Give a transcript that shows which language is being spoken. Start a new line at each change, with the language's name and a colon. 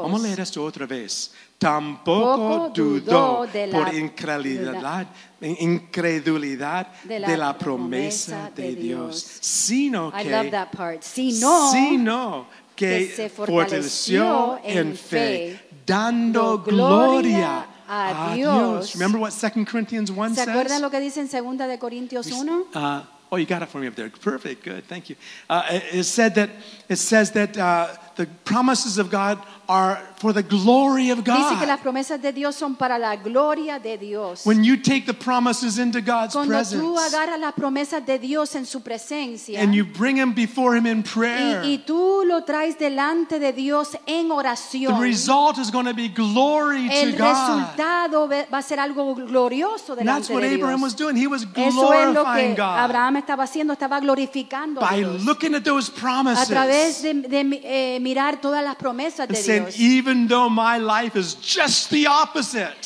Spanish: Vamos a leer esto otra vez. Tampoco dudó por incredulidad de la promesa de Dios. Sino que,
English: I love that part.
Spanish: Sino, que se fortaleció en fe, dando gloria a Dios.
English: Remember what 2 Corinthians 1 says?
Spanish: ¿Se acuerdan lo que dice en 2 de Corintios 1?
English: Oh, you got it for me up there. Perfect. Good. Thank you. It says that the promises of God are for the glory of God.
Spanish: Dice que las promesas de Dios son para la gloria de Dios.
English: When you take the promises into God's
Spanish: cuando
English: presence,
Spanish: cuando tú agarras las promesas de Dios en su presencia,
English: and you bring them before Him in prayer,
Spanish: y tú lo traes delante de Dios en oración,
English: the result is going to be glory to God.
Spanish: El resultado va a ser algo glorioso delante de Dios.
English: That's what Abraham was doing. He was glorifying God.
Spanish: Eso es lo que Abraham estaba haciendo. Estaba glorificando a Dios.
English: By looking at those promises,
Spanish: a través de mirar todas las promesas de Dios.
English: And even though my life is just the opposite,